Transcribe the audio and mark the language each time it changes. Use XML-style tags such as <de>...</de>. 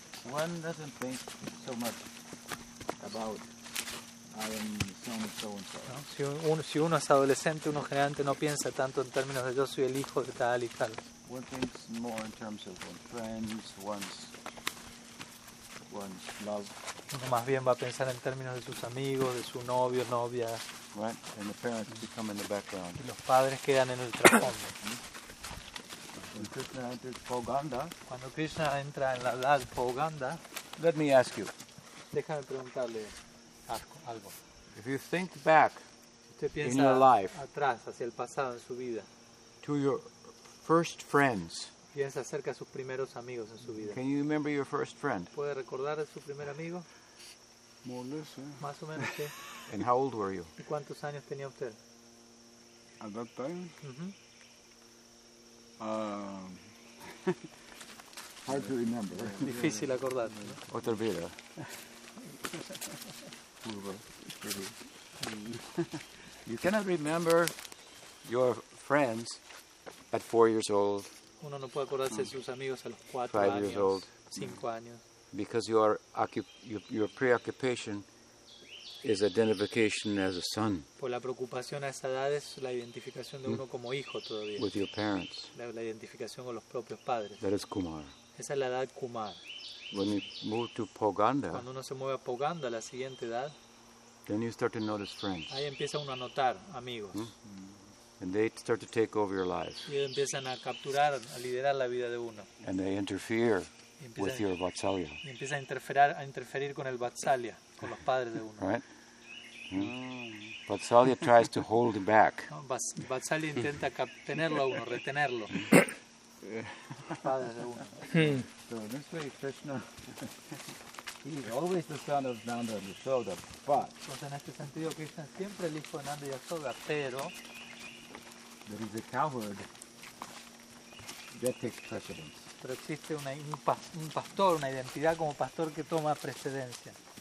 <en>One doesn't think so much about I am so and so and so.</en> <es>No, si uno es adolescente, uno generalmente no piensa tanto en términos de yo soy el hijo de tal y tal.</es> <en>One thinks more in terms of one's friends, one's love.</en> <es>Uno más bien va a pensar en términos de sus amigos, de su novio, novia.</es> <en>Right, and the parents become in the background.</en> <es>Y los padres quedan en el trasfondo.</es> <en>When Krishna enters Pauganda,</en> <es>cuando Krishna entra en la edad Pauganda,</es> <en>let me ask you.</en> <es>Déjame preguntarle algo.</es> <en>If you think back,</en> <es>si usted piensa</es> <en>in your life,</en> <es>atrás hacia el pasado en su vida,</es> <en>to your first friends,</en> <es>piensa acerca de sus primeros amigos en su vida.</es> <en>Can you remember your first friend?</en> <es>¿Puede recordar a su primer amigo?</es> <en>More or less, yeah.</en> <es>Más o menos, sí.</es> <en>And how old were you?</en> <es>¿Y cuántos años tenía usted?</es> <en>At that time? Mm-hmm. hard to remember.</en> <es>Difícil acordar, ¿no? Otra vida.</es> <en>You cannot remember your friends at 4 years old.</en> <es>Uno no puede acordarse de sus amigos a los 4 años.</es> <en>5 years old.</en> <es>5 años.</es> <en>Because your preoccupation is identification as a son.</en> <es>Por la preocupación a esa edad es la identificación de uno como hijo todavía.</es> <en>With your parents.</en> <es>La identificación con los propios padres.</es> <en>That is Kumar.</en> <es>Esa es la edad Kumar.</es> <en>When you move to Poganda.</en> <es>Cuando uno se mueve a Poganda, la siguiente edad.</es> <en>Then you start to notice friends.</en> <es>Ahí empieza uno a notar amigos.</es> <en>And they start to take over your life.</en> <es>Y empiezan a capturar, a liderar la vida de uno.</es> <en>And they interfere with your vatsalya.</en> <es>Y empiezan a interferir con el vatsalya, con los padres de uno.</es> <en>Right? Vatsalya tries to hold back.</en> <es>Vatsalya intenta tenerlo a uno, retenerlo. Los padres de uno.</es> <en>So in this way, Krishna, he's always the son of Nanda and Yashoda, but...</en> <es>Entonces, en este sentido, Krishna es siempre el hijo de Nanda y Yashoda, pero...</es> <en>There is a coward that takes precedence.</en> <es>Pero existe un pastor, una identidad como pastor que toma precedencia.</es>